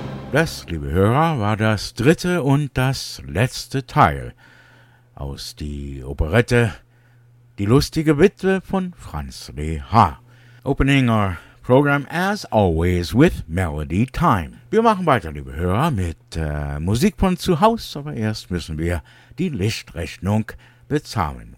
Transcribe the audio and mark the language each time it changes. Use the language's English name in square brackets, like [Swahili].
[German] Das, liebe Hörer, war das dritte und das letzte Teil aus die Operette Die lustige Witwe von Franz Rehaar. [English] Opening our program as always with Melody Time. [German] Wir machen weiter, liebe Hörer, mit Musik von zu Hause, aber erst müssen wir die Lichtrechnung bezahlen.